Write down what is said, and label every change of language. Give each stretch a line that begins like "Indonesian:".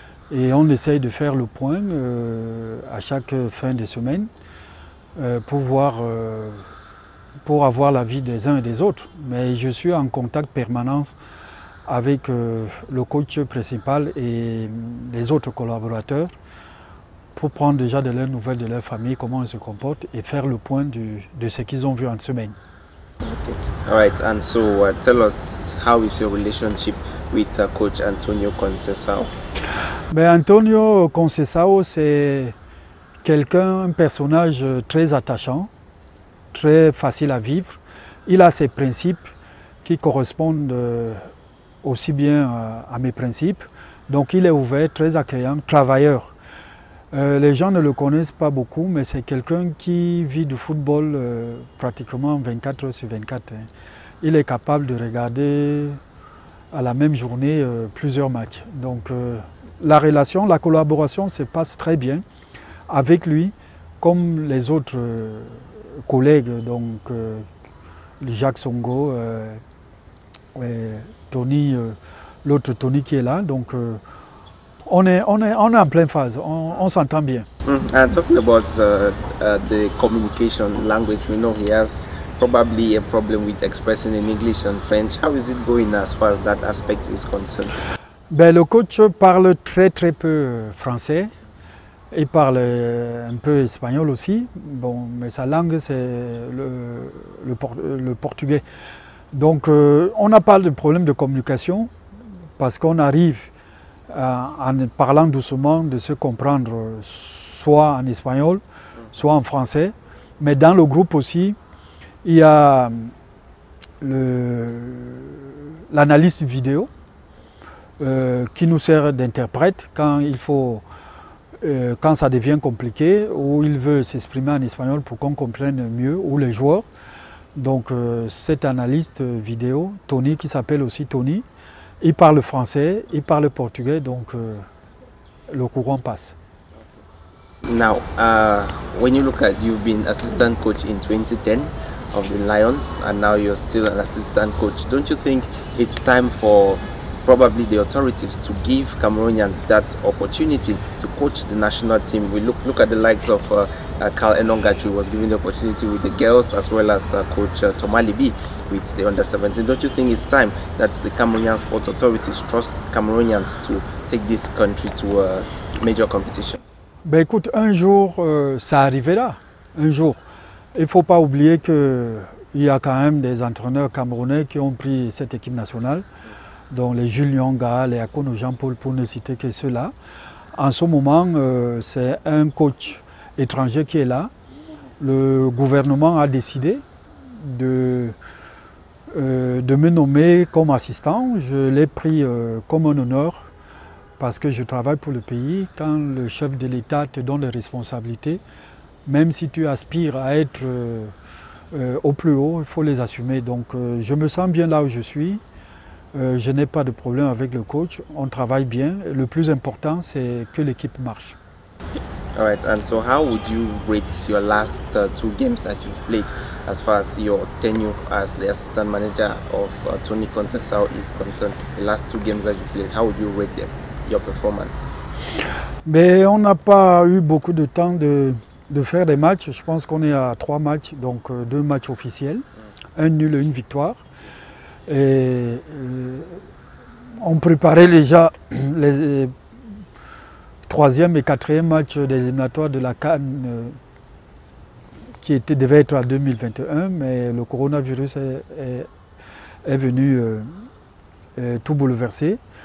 French: Et on essaye de faire le point à chaque fin de semaine pour avoir l'avis des uns et des autres. Mais je suis en contact permanent avec le coach principal et les autres collaborateurs pour prendre déjà de leurs nouvelles de leur famille, comment ils se comportent et faire le point de ce qu'ils ont vu en semaine.
English: Okay. All right, and so tell us, how is your relationship with coach Antonio Conceição?
French: Ben, Antonio Conceição, c'est un personnage très attachant, très facile à vivre. Il a ses principes qui correspondent aussi bien à mes principes. Donc il est ouvert, très accueillant, travailleur. Les gens ne le connaissent pas beaucoup, mais c'est quelqu'un qui vit du football pratiquement 24 heures sur 24. Hein. Il est capable de regarder à la même journée plusieurs matchs. Donc la relation, la collaboration se passe très bien avec lui, comme les autres collègues, donc Jacques Songo, et Tony, l'autre Tony qui est là. Donc, on est en pleine phase, on s'entend bien.
English: And talking about the communication language, we know he has probably a problem with expressing in English and French. How is it going as far as that aspect is concerned?
French: Ben, le coach parle très très peu français. Il parle un peu espagnol aussi. Bon, mais sa langue, c'est le portugais. Donc, on n'a pas de problème de communication parce qu'on arrive en parlant doucement, de se comprendre soit en espagnol, soit en français. Mais dans le groupe aussi, il y a l'analyste vidéo qui nous sert d'interprète quand il faut, quand ça devient compliqué, ou il veut s'exprimer en espagnol pour qu'on comprenne mieux, ou les joueurs. Donc cet analyste vidéo, Tony, qui s'appelle aussi Tony, il parle français, il parle portugais, donc le courant passe.
English: Now, when you look at, you've been assistant coach in 2010 of the Lions, and now you're still an assistant coach. Don't you think it's time for probably the authorities to give Cameroonians that opportunity to coach the national team? We look at the likes of Carl Enongachu, who was given the opportunity with the girls, as well as coach Tomali B with the under 17. Don't you think it's time that the Cameroonian sports authorities trust Cameroonians to take this country to a major competition?
French: Ben écoute, un jour ça arrivera, un jour. Il faut pas oublier que il y a quand même des entraîneurs camerounais qui ont pris cette équipe nationale, dont les Jules Nyonga, les Akono Jean-Paul, pour ne citer que ceux-là. En ce moment, c'est un coach étranger qui est là. Le gouvernement a décidé de me nommer comme assistant. Je l'ai pris comme un honneur parce que je travaille pour le pays. Quand le chef de l'État te donne les responsabilités, même si tu aspires à être au plus haut, il faut les assumer. Donc je me sens bien là où je suis. Je n'ai pas de problème avec le coach. On travaille bien. Le plus important, c'est que l'équipe marche.
English: All right. And so, how would you rate your last two games that you've played, as far as your tenure as the assistant manager of Tony Conceição is concerned? The last two games that you played, how would you rate them, your performance?
French: Mais on n'a pas eu beaucoup de temps de faire des matchs. Je pense qu'on est à trois matchs, donc deux matchs officiels, un nul et une victoire. Et on préparait déjà les troisième et quatrième match des éliminatoires de la CAN qui était, devait être en 2021, mais le coronavirus est venu tout bouleverser.